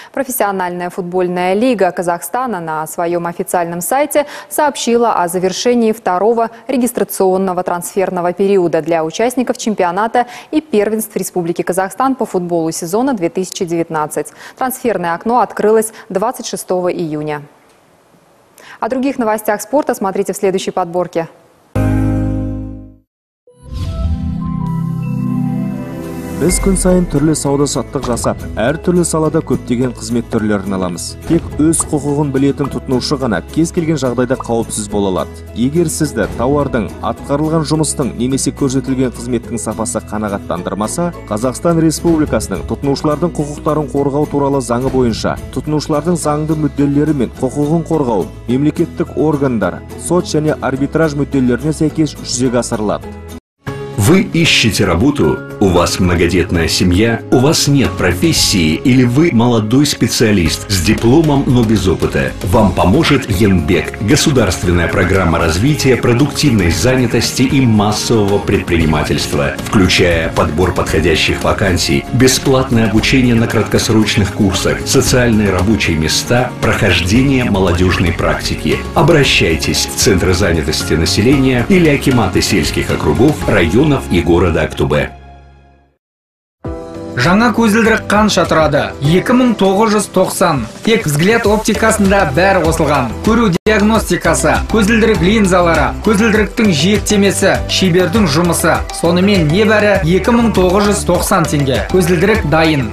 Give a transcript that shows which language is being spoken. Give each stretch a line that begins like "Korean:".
Russian: Профессиональная футбольная лига Казахстана на своем официальном сайте сообщила о завершении второго регистрационного трансферного периода для участников чемпионата и первенств Республики Казахстан по футболу сезона 2019. Трансферное окно открылось 26 июня. О других новостях спорта смотрите в следующей подборке.
Kazakh: Біз күн сайын түрлі сауда саттық жасап, әр түрлі салада көптеген қызмет түрлерін аламыз. Тек өз құқығын білетін тұтынушы ғана кез келген жағдайда қауіпсіз бола алады. Егер сізді тауардың, атқарылған жұмыстың немесе көрсетілген қызметтің сапасы қанағаттандырмаса, Қазақстан Республикасының тұтынушылардың құқықтарын қорғау туралы заңы бойынша тұтынушылардың заңды мүдделері мен құқығын қорғау мемлекеттік органдар, сот және арбитраж мүдделеріне сәйкес жүзеге асырылады.
Russian: Вы ищете работу? У вас многодетная семья? У вас нет профессии? Или вы молодой специалист с дипломом, но без опыта? Вам поможет Янбек – государственная программа развития продуктивной занятости и массового предпринимательства, включая подбор подходящих вакансий, бесплатное обучение на краткосрочных курсах, социальные рабочие места, прохождение молодежной практики. Обращайтесь в Центры занятости населения или акиматы сельских округов, районов и города Актобе.
Kazakh: Жаңа көзілдірік қанша тұрады? 2990. Тек взгляд оптикасында бәрі қосылған. Көру диагностикасы, көзілдірік линзалары, көзілдіріктің жиектемесі, шебердің жұмысы. Сонымен не бәрі 2990 теңге. Көзілдірік дайын.